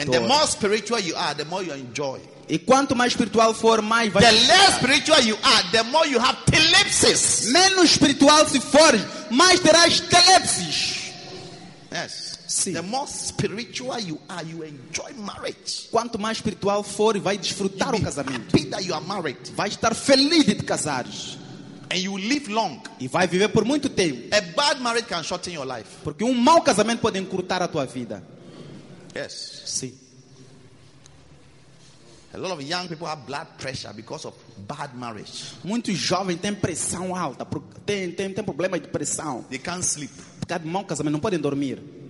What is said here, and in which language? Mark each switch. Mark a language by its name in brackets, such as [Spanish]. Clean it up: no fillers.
[English] And the more spiritual you are, the more you enjoy. [Portuguese] E quanto mais espiritual for, mais vai. [English] The less spiritual you are, the more you have telepsis. [Portuguese] Menos espiritual se for, mais terás telepsis. [English] Yes. [Portuguese] Sim. [English] The more spiritual you are, you enjoy marriage. [Portuguese] Quanto mais espiritual for, vai desfrutar o casamento. [English] Happy that you are married. [Portuguese] Vai estar feliz de te casares. [English] And you live long. [Portuguese] E vai viver por muito tempo. [English] A bad marriage can shorten your life. [Portuguese] Porque mau casamento pode encurtar a tua vida. [English] Yes. [Portuguese] Sim. [English] A lot of young people have blood pressure because of bad marriage. [Portuguese] Muitos jovens têm pressão alta, têm problemas de pressão. [English] They can't sleep. [Portuguese] Por causa de mau casamento, não podem dormir.